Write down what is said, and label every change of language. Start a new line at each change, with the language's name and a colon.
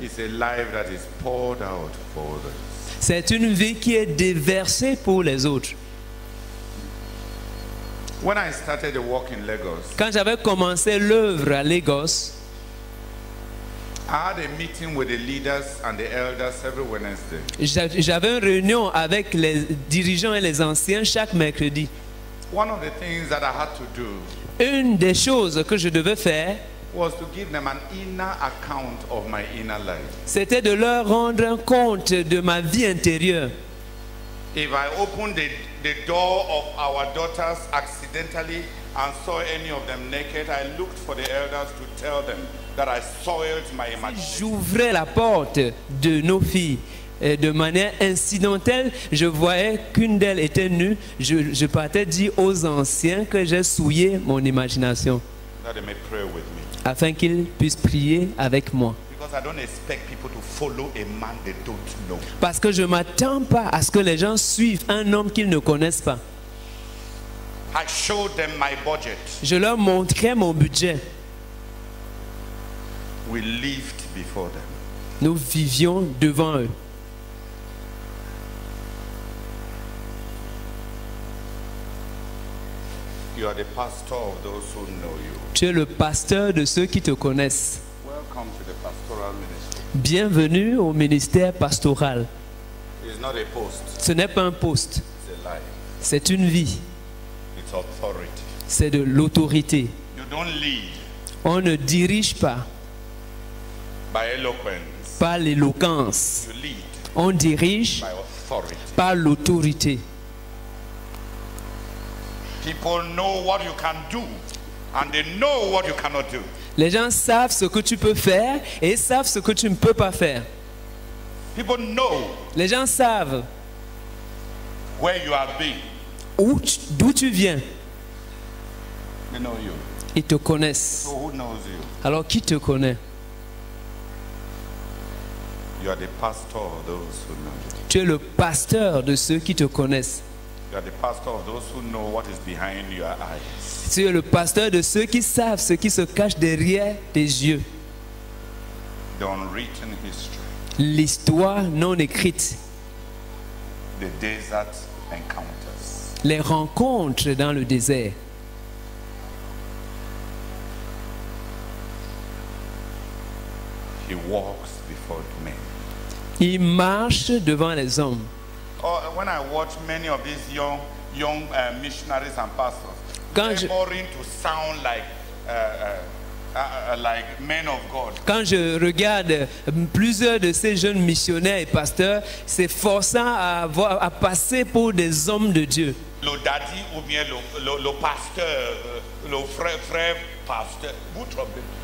English: is a life that is poured out for the.
French: C'est une vie qui est déversée pour les autres.
English: When I started the work in Lagos,
French: quand j'avais commencé l'œuvre à Lagos,
English: I had a meeting with the leaders and the elders every Wednesday.
French: J'avais une réunion avec les dirigeants et les anciens chaque mercredi.
English: One of the things that I had to do,
French: une des choses que je devais faire,
English: was to give them an inner account of my inner life.
French: C'était de leur rendre un compte de ma vie intérieure.
English: If I opened the door of our daughters accidentally and saw any of them naked, I looked for the elders to tell them that I soiled my imagination.
French: Si j'ouvrais la porte de nos filles et de manière incidentelle, je voyais qu'une d'elles était nue, je partais dire aux anciens que j'ai souillé mon imagination.
English: That they may pray with me.
French: Afin qu'ils puissent prier avec moi.
English: Because I don't expect people to follow a man they don't know.
French: Parce que je ne m'attends pas à ce que les gens suivent un homme qu'ils ne connaissent pas.
English: I showed them my budget.
French: Je leur montrais mon budget.
English: We lived before them.
French: Nous vivions devant eux.
English: You are the pastor of those who know you.
French: Tu es le pasteur de ceux qui te connaissent.
English: Welcome to the pastoral ministry.
French: Bienvenue au ministère pastoral.
English: It's not a post.
French: Ce n'est pas un poste.
English: It's a life.
French: C'est une vie.
English: It's authority.
French: C'est de l'autorité.
English: You don't lead.
French: On ne dirige pas.
English: By eloquence.
French: Par l'éloquence.
English: You lead.
French: On dirige
English: by authority.
French: Par l'autorité.
English: People know what you can do and they know what you cannot do.
French: Les gens savent ce que tu peux faire et savent ce que tu ne peux pas faire.
English: People know.
French: Les gens savent
English: where you have been.
French: D'où tu viens.
English: They know you.
French: Ils te connaissent.
English: So who knows you?
French: Alors qui te connaît?
English: You are the pastor of those who know you.
French: Tu es le pasteur de ceux qui te connaissent.
English: You are the pastor of those who know what is behind your eyes.
French: Tu es le pasteur de ceux qui savent ce qui se cache derrière tes yeux.
English: The unwritten history.
French: L'histoire non écrite.
English: The desert encounters.
French: Les rencontres dans le désert.
English: He walks before men.
French: Il marche devant les hommes.
English: When I watch many of these young missionaries and pastors, they're boring to sound like men of God.
French: Quand je regarde plusieurs de ces jeunes missionnaires et pasteurs, c'est forçant à passer pour des hommes de Dieu. Le daddy ou bien le pasteur, le frère pasteur, vous trompez.